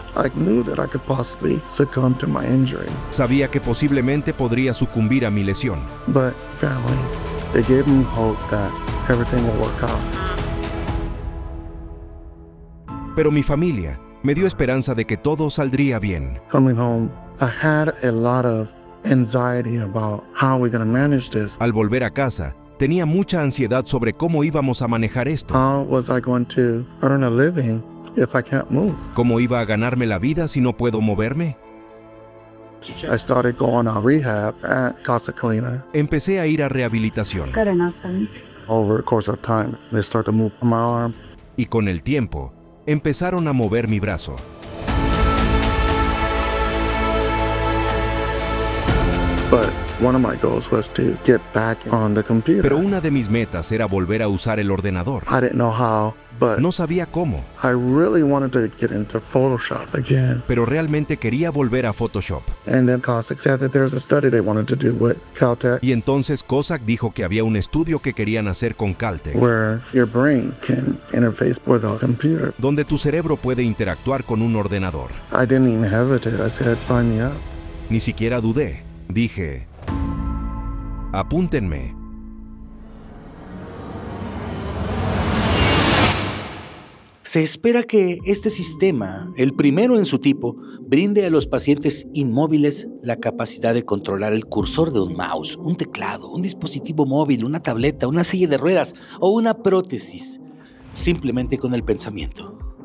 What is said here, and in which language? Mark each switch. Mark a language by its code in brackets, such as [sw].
[en] I knew that I could possibly succumb to my injury. [es] Sabía que posiblemente podría sucumbir a mi lesión. [en] But finally, it gave me hope that everything will work out. [es] Pero mi familia me dio esperanza de que todo saldría bien. [en] Coming home, I had a lot of anxiety about how we're going to manage this. [es] Al volver a casa, tenía mucha ansiedad sobre cómo íbamos a manejar esto. [en] How was I going to earn a living if I can't move? [es] ¿Cómo iba a ganarme la vida si no puedo moverme? [en] I started going to rehab at Casa Colina. [es] Empecé a ir a rehabilitación. [en] Over the course of time, they start to move my arm. [es] Y con el tiempo, empezaron a mover mi brazo. [en] But one of my goals was to get back on the computer. [es] Pero una de mis metas era volver a usar el ordenador. [en] I didn't know how, but [es] no sabía cómo. [en] I really wanted to get into Photoshop again. [es] Pero realmente quería volver a Photoshop. [en] And then Cossack said that there's a study they wanted to do with Caltech. [es] Y entonces Cossack dijo que había un estudio que querían hacer con Caltech. [en] Where your brain can interface with a computer. [es] Donde tu cerebro puede interactuar con un ordenador. [en] I didn't even hesitate. I said, sign me up. [es] Ni siquiera dudé. Dije, apúntenme. Se espera que este sistema, el primero en su tipo, brinde a los pacientes inmóviles la capacidad de controlar el cursor de un mouse, un teclado, un dispositivo móvil, una tableta, una silla de ruedas o una prótesis, simplemente con el pensamiento.